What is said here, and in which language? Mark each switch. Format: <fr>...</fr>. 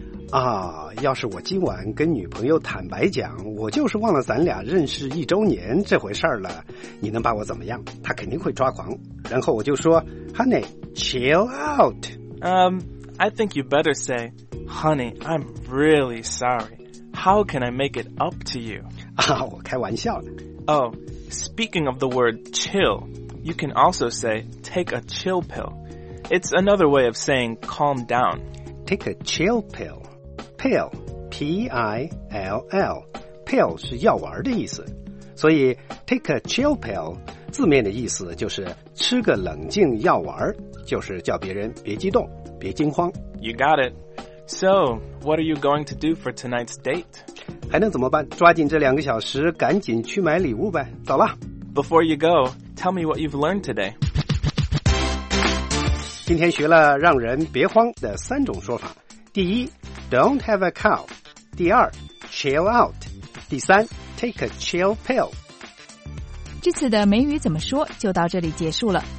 <zh>啊，要是我今晚跟女朋友坦白讲，我就是忘了咱俩认识一周年这回事了，你能把我怎么样？她肯定会抓狂。然后我就说</zh> <en>honey, chill out. I think you better say, Honey, I'm really sorry. How can I make it up to you?</en> <zh>啊，我开玩笑的。</zh> <en>Oh, speaking of the word chill, you can also say, take a chill pill. It's another way of saying calm down. Take a chill pill. Pill, P-I-L-L. Pill</en> <zh>是药丸的意思。所以</zh> <en>take a chill pill</en> <zh>字面的意思就是吃个冷静药丸，就是叫别人别激动，别惊慌。</zh> <en>You got it. So, what are you going to do for tonight's date?</en> <zh>还能怎么办？抓紧这两个小时，赶紧去买礼物呗。走了。</zh> <en>Before you go, tell me what you've learned today.</en> <zh>今天学了让人别慌的三种说法。第一 ,</zh> <en>don't have a cow.</en> <zh>第二 ,</zh> <en>chill out.</en> <zh>第三</zh> <en>,take a chill pill.</en> <zh>这次的美语怎么说就到这里结束了。</zh>